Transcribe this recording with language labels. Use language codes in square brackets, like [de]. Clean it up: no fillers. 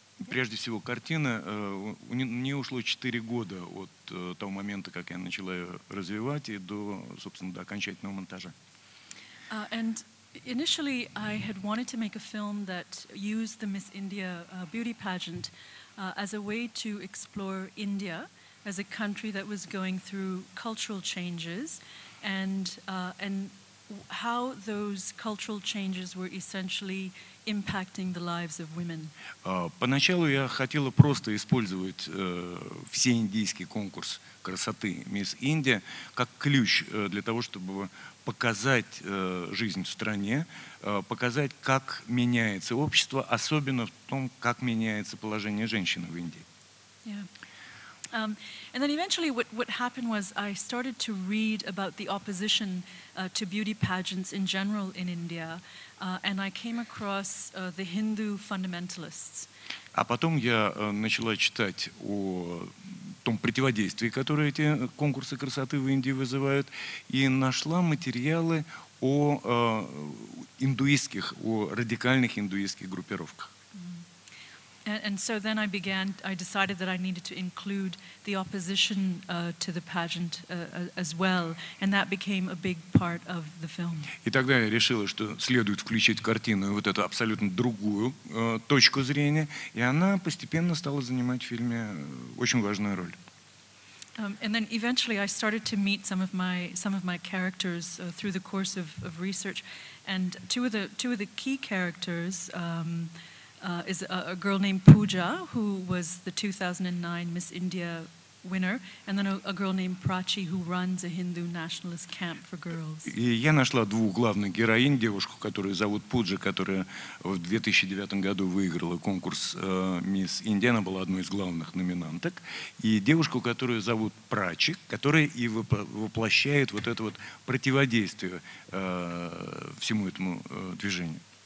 [ru] Прежде всего, картина, мне ушло 4 года от того момента, как я начала ее развивать, и до, собственно, до окончательного монтажа. [en] And initially I had wanted to make a film that used the Miss India beauty pageant as a way to explore India as a country that was going through cultural changes and how those cultural changes were essentially impacting the lives of women. [ru] Поначалу я хотела просто использовать всеиндийский конкурс красоты Miss India как ключ для того, чтобы показать жизнь в стране, показать, как меняется общество, особенно в том, как меняется положение женщины в Индии. [en] And then eventually what happened was I started to read about the opposition to beauty pageants in general in India, and I came across the Hindu fundamentalists. [ru] А потом я начала читать о том противодействии, которое эти конкурсы красоты в Индии вызывают, и нашла материалы о индуистских, о радикальных индуистских группировках. [en] And so then I decided that I needed to include the opposition to the pageant as well, and that became a big part of the film. [ru] И тогда я решила, что следует включить в картину вот эту абсолютно другую точку зрения, и она постепенно стала занимать в фильме очень важную роль. [en] And then eventually I started to meet some of my characters through the course of research, and two of the key characters is a girl named Pooja, who was the 2009 Miss India winner, and then a girl named Prachi, who runs a Hindu nationalist camp for girls. [ru] И я нашла двух главных героинь, девушку, которую зовут Пуджа, которая в 2009 году выиграла конкурс Miss India, она была одной из главных номинанток, и девушку, которую зовут Прачи, которая и воплощает вот это вот противодействие всему этому движению.